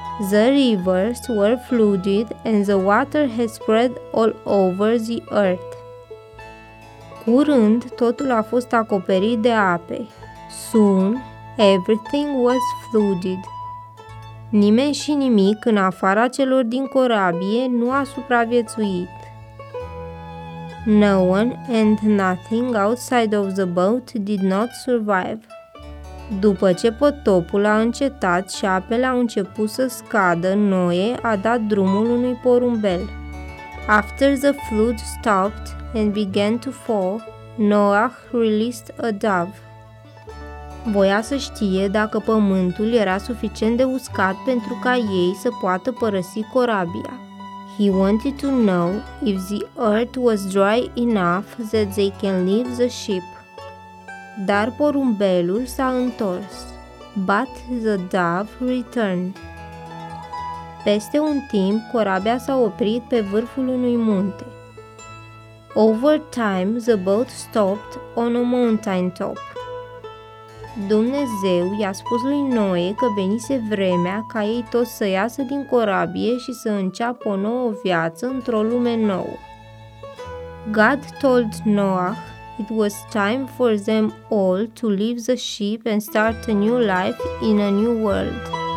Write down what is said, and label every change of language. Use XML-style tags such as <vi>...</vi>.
<en>The rivers were flooded and the water had spread all over the earth.</en> <ro>Curând, totul a fost acoperit de ape.</ro> <en>Soon, everything was flooded.</en> <ro>Nimeni și nimic în afara celor din corabie nu a supraviețuit.</ro> <en>No one and nothing outside of the boat did not survive.</en> <ro>După ce potopul a încetat și apele au început să scadă, Noe a dat drumul unui porumbel.</ro> <en>After the flood stopped and began to fall, Noah released a dove.</en> <ro>Voia să știe dacă pământul era suficient de uscat pentru ca ei să poată părăsi corabia.</ro> <en>He wanted to know if the earth was dry enough that they can leave the ship.</en> <ro>Dar porumbelul s-a întors.</ro> <en>But the dove returned.</en> <ro>Peste un timp, corabia s-a oprit pe vârful unui munte.</ro> <en>Over time, the boat stopped on a mountain top.</en> <ro>Dumnezeu i-a spus lui Noe că venise vremea ca ei toți să iasă din corabie și să înceapă o nouă viață într-o lume nouă.</ro> <en>God told Noah it was time for them all to leave the ship and start a new life in a new world.</en>